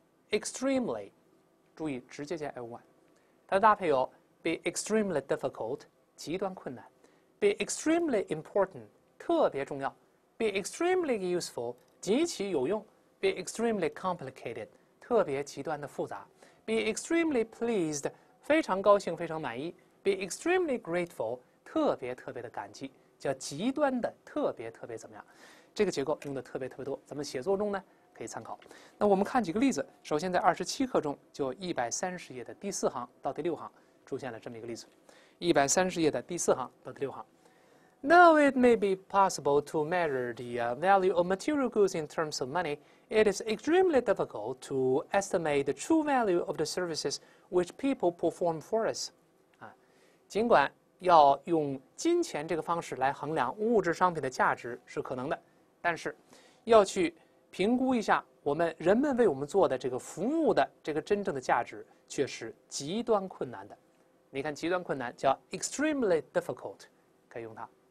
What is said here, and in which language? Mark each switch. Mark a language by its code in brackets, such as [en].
[zh] extremely， 注意直接加 ly， 它的搭配有 [en] be extremely difficult， [zh] 极端困难， [en] be extremely important， [zh] 特别重要， [en] be extremely useful， [zh] 极其有用， [en] be extremely complicated， [zh] 特别极端的复杂， [en] be extremely pleased， [zh] 非常高兴，非常满意， [en] be extremely grateful， [zh] 特别特别的感激，叫极端的，特别特别怎么样，这个结构用的特别特别多，咱们写作中呢可以参考。那我们看几个例子，首先在27课中就130页的第四行到第六行出现了这么一个例子，130页的第四行到第六行。 [en] Though it may be possible to measure the value of material goods in terms of money, it is extremely difficult to estimate the true value of the services which people perform for us. [zh] 尽管要用金钱这个方式来衡量物质商品的价值是可能的，但是要去评估一下我们人们为我们做的这个服务的这个真正的价值却是极端困难的。你看极端困难叫 [en] extremely difficult， [zh] 可以用它。